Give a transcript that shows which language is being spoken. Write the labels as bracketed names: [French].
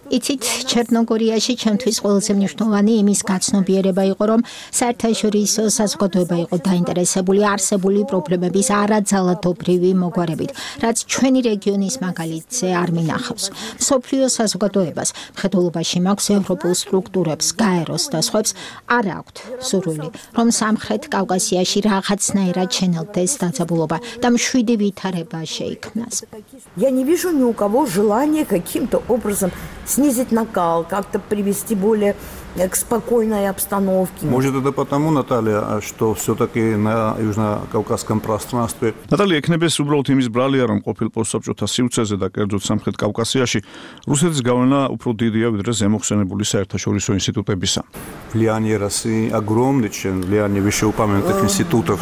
[Georgian] იცით, ჩერნოგორიაში ჩემთვის ყველაზე მნიშვნელოვანი იმის გაცნობიერება იყო, რომ საერთაშორისო საზოგადოება იყო დაინტერესებული არსებული პრობლემების არაძალადობრივი მოგვარებით, რაც ჩვენი რეგიონის მაგალითზე არ მინახავს. მსოფლიო საზოგადოებას, მხედველობაში მაქვს ევროპულ სტრუქტურებს, გაეროს და სხვებს, არ აქვთ სურვილი, რომ სამხრეთ კავკასიაში რაღაცნაირად შენელდეს დაძაბულობა და მშვიდი ვითარება შეიქმნას. [Russian] Я не вижу ни у кого желания каким-то образом снизить накал, как-то привести более к спокойной обстановке. Может, это потому, Наталья, что всё-таки на южно-кавказском пространстве. [Georgian] Наталья, кнебес убрал тим из бралия, რომ ყოფილ პოსტსაბჭოთა სივრცეზე და კერძოდ სამხრეთ კავკასიაში რუსეთის გავლენა უფრო დიდია, ვიდრე ზემოხსენებული საერთაშორისო ინსტიტუტებისა. [Russian] Влияние России огромное, чем влияние вышеупомянутых институтов.